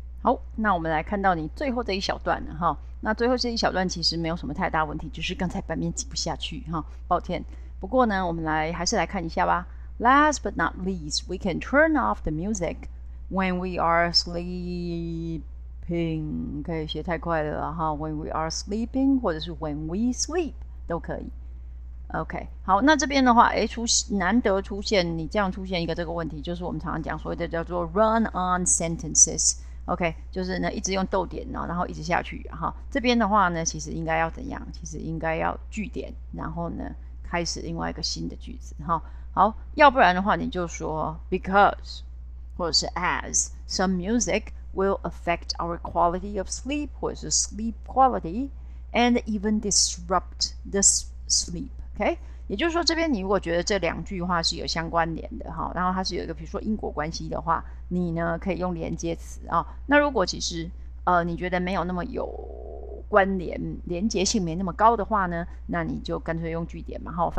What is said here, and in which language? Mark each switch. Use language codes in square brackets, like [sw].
[zh] 好，那我们来看到你最后这一小段了哈。那最后这一小段其实没有什么太大问题，就是刚才版面挤不下去哈，抱歉。不过呢，我们来还是来看一下吧。 [en] Last but not least, we can turn off the music when we are sleeping。 [zh] 可以学太快了哈， [en] when we are sleeping [zh] 或者是 [en] when we sleep [zh] 都可以。 OK，好，那这边的话，难得出现你这样出现一个这个问题，就是我们常常讲所谓的叫做 run on sentences。 OK，就是呢，一直用逗点呢，然后一直下去哈。这边的话呢，其实应该要怎样？其实应该要句点，然后呢，开始另外一个新的句子哈。好，要不然的话，你就说 [en] because [zh] 或者是 [en] as some music will affect our quality of sleep 或者是 sleep quality and even disrupt the sleep。 [zh] OK，也就是说，这边你如果觉得这两句话是有相关联的哈，然后它是有一个比如说因果关系的话，你呢可以用连接词啊。那如果其实你觉得没有那么有关联，连接性没那么高的话呢，那你就干脆用句点嘛哈。